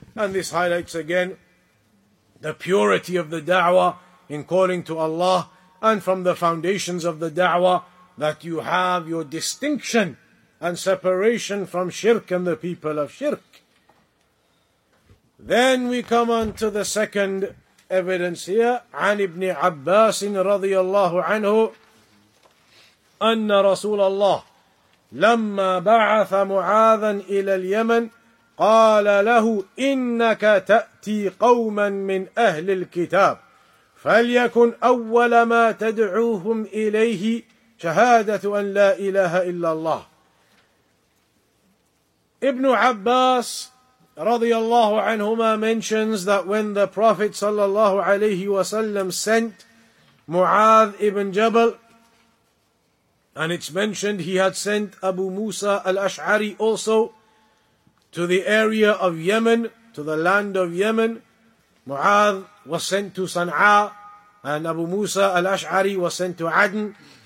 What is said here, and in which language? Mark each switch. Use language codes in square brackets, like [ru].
[en] And this highlights again the purity of the da'wah in calling to Allah, and from the foundations of the da'wah that you have your distinction and separation from shirk and the people of shirk. Then we come on to the second evidence here. [ar] عن ابن عباس رضي الله عنه أن رسول الله لما بعث معاذا إلى اليمن قال له إنك تأتي قوما من أهل الكتاب فليكن أول ما تدعوهم إليه شهادة أن لا إله إلا الله. [en] ابن عباس radiyallahu anhuma mentions that when the Prophet sallallahu alayhi wa sallam sent Mu'adh ibn Jabal, and it's mentioned he had sent Abu Musa al-Ash'ari also to the area of Yemen, to the land of Yemen, Mu'adh was sent to Sana'a, and Abu Musa al-Ash'ari was sent to Aden.